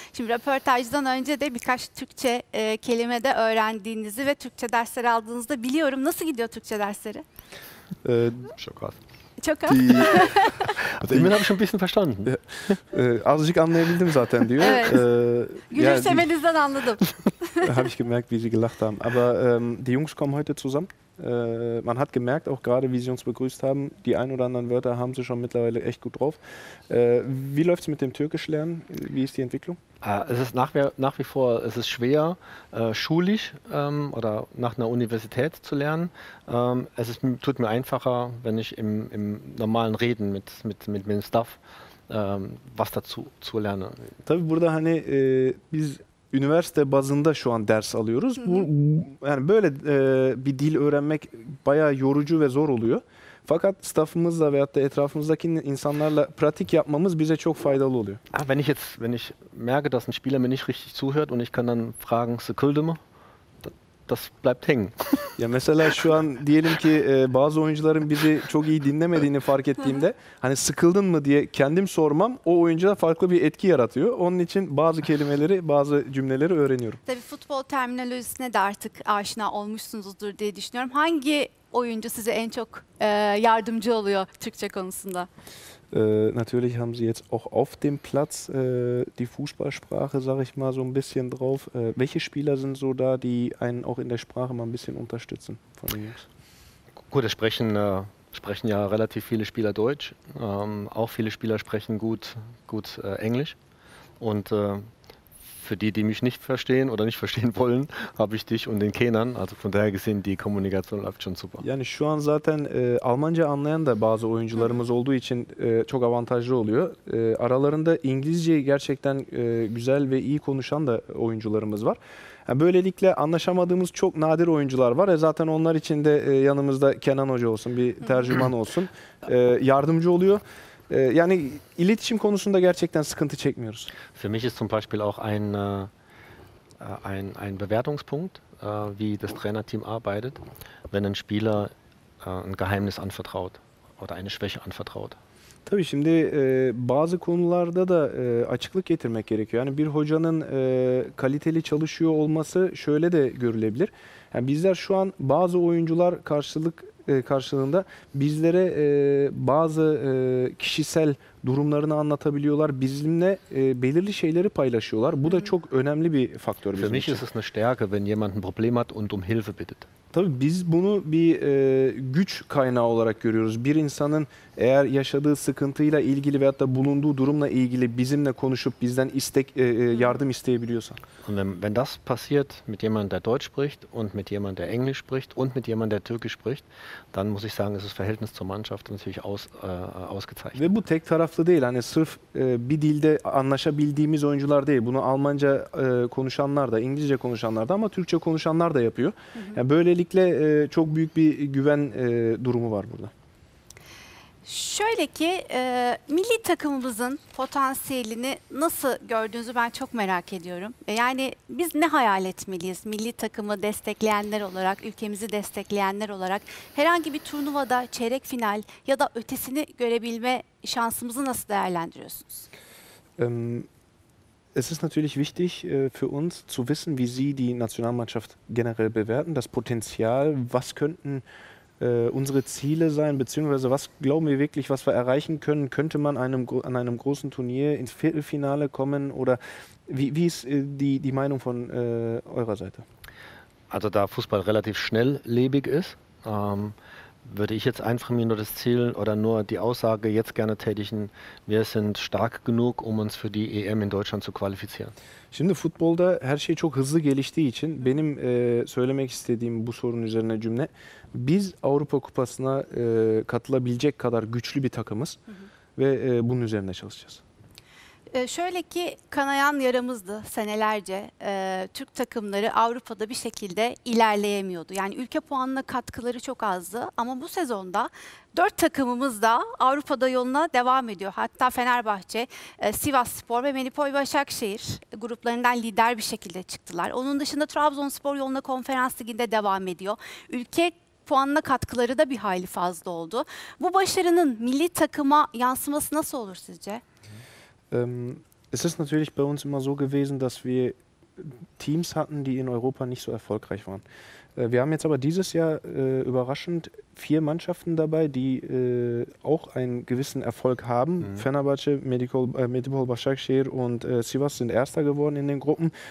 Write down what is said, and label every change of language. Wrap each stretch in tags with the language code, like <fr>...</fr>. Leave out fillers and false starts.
<tr>Şimdi röportajdan önce de birkaç Türkçe kelime de öğrendiğinizi ve Türkçe dersleri aldığınızı da biliyorum. Nasıl gidiyor Türkçe dersleri? Çok az. Çok az. Emin abi, şu bir şey</tr> <de>verstanden.</de> <tr>Azıcık anlayabildim zaten diyor. Evet. Gülümsemenizden anladım.</tr> <de>Habe ich gemerkt, wie Sie gelacht haben. Aber die Jungs kommen heute zusammen. Man hat gemerkt, auch gerade wie Sie uns begrüßt haben, die ein oder anderen Wörter haben Sie schon mittlerweile echt gut drauf. Wie läuft es mit dem Türkischlernen? Wie ist die Entwicklung? Es ist nach wie vor es ist schwer, schulisch oder nach einer Universität zu lernen. Es ist, tut mir einfacher, wenn ich im normalen Reden mit meinem Staff was dazu zu lerne.</de> <tr>Tabii burada hani biz üniversite bazında şu an ders alıyoruz. Hı hı. Yani böyle bir dil öğrenmek bayağı yorucu ve zor oluyor. Fakat staffımızla veyahut da etrafımızdaki insanlarla pratik yapmamız bize çok faydalı oluyor.</tr> <de>Wenn ich merke, dass ein Spieler mir nicht richtig zuhört und ich kann dann fragen,</de> <tr>sıkıldı mı?</tr> <de>Das bleibt hängen.</de> <tr>Ya mesela şu an diyelim ki bazı oyuncuların bizi çok iyi dinlemediğini fark ettiğimde hani sıkıldın mı diye kendim sormam o oyuncuda farklı bir etki yaratıyor. Onun için bazı kelimeleri, bazı cümleleri öğreniyorum. Tabii futbol terminolojisine de artık aşina olmuşsunuzdur diye düşünüyorum. Hangi oyuncu size en çok yardımcı oluyor Türkçe konusunda?</tr> <de>Natürlich haben Sie jetzt auch auf dem Platz die Fußballsprache, sage ich mal, so ein bisschen drauf. Welche Spieler sind so da, die einen auch in der Sprache mal ein bisschen unterstützen von den Jungs? Gut, es sprechen ja relativ viele Spieler Deutsch. Auch viele Spieler sprechen gut Englisch. Und für die, die mich nicht verstehen oder nicht verstehen wollen, habe ich dich und den Kenan. Also von daher gesehen, die Kommunikation läuft schon super.</de> <tr>Yani şu an zaten Almanca anlayan da bazı oyuncularımız olduğu için çok avantajlı oluyor. Aralarında İngilizceyi gerçekten güzel ve iyi konuşan da oyuncularımız var. Yani böylelikle anlaşamadığımız çok nadir oyuncular var. Zaten onlar için de yanımızda Kenan Hoca olsun, bir tercüman olsun. Yardımcı oluyor. Yani iletişim konusunda gerçekten sıkıntı çekmiyoruz.</tr> <de>Für mich ist zum Beispiel auch ein Bewertungspunkt, wie das Trainerteam arbeitet, wenn ein Spieler ein Geheimnis anvertraut oder eine Schwäche anvertraut.</de> <tr>Tabii şimdi bazı konularda da açıklık getirmek gerekiyor. Yani bir hocanın kaliteli çalışıyor olması şöyle de görülebilir. Yani bizler şu an bazı oyuncular karşılığında bizlere bazı kişisel durumlarını anlatabiliyorlar. Bizimle belirli şeyleri paylaşıyorlar. Bu da çok önemli bir faktör bizim için.</tr> <de>Für mich ist es eine Stärke, wenn jemand ein Problem hat und um Hilfe bittet.</de> <tr>Tabii biz bunu bir güç kaynağı olarak görüyoruz. Bir insanın eğer yaşadığı sıkıntıyla ilgili veyahut da bulunduğu durumla ilgili bizimle konuşup bizden yardım isteyebiliyorsa.</tr> <de>Und wenn das passiert mit jemandem, der Deutsch spricht und mit jemandem, der Englisch spricht und mit jemandem, der Türkisch spricht, dann muss ich sagen, ist das Verhältnis zur Mannschaft natürlich ausgezeichnet.</de> <tr>Ve bu tek taraflı değil. Hani sırf bir dilde anlaşabildiğimiz oyuncular değil. Bunu Almanca konuşanlar da, İngilizce konuşanlar da ama Türkçe konuşanlar da yapıyor. Yani böylelikle çok büyük bir güven durumu var burada. Şöyle ki milli takımımızın potansiyelini nasıl gördüğünüzü ben çok merak ediyorum. Yani biz ne hayal etmeliyiz milli takımı destekleyenler olarak, ülkemizi destekleyenler olarak? Herhangi bir turnuvada çeyrek final ya da ötesini görebilme şansımızı nasıl değerlendiriyorsunuz?</tr> <de>Es ist natürlich wichtig für uns zu wissen, wie Sie die Nationalmannschaft generell bewerten, das Potenzial, was könnten unsere Ziele sein, beziehungsweise was glauben wir wirklich, was wir erreichen können? Könnte man an einem großen Turnier ins Viertelfinale kommen oder wie ist die Meinung von eurer Seite? Also da Fußball relativ schnelllebig ist, würde ich jetzt einfach nur das Ziel oder nur die Aussage jetzt gerne tätigen, wir sind stark genug, um uns für die EM in Deutschland zu qualifizieren.</de> <tr>Şimdi futbolda her şey çok hızlı geliştiği için benim söylemek istediğim bu sorunun üzerine cümle, biz Avrupa Kupası'na katılabilecek kadar güçlü bir takımız ve bunun üzerine çalışacağız. Şöyle ki kanayan yaramızdı senelerce. Türk takımları Avrupa'da bir şekilde ilerleyemiyordu. Yani ülke puanına katkıları çok azdı. Ama bu sezonda 4 takımımız da Avrupa'da yoluna devam ediyor. Hatta Fenerbahçe, Sivasspor ve Menipoy Başakşehir gruplarından lider bir şekilde çıktılar. Onun dışında Trabzonspor yoluna Konferans Ligi'nde devam ediyor. Ülke puanına katkıları da bir hayli fazla oldu. Bu başarının milli takıma yansıması nasıl olur sizce?</tr> <de>Es ist natürlich bei uns immer so gewesen, dass wir Teams hatten, die in Europa nicht so erfolgreich waren. Wir haben jetzt aber dieses Jahr überraschend 4 Mannschaften dabei, die auch einen gewissen Erfolg haben. Mhm. Fenerbahçe, Medipol Başakşehir und Sivas sind Erster geworden in den Gruppen.</de>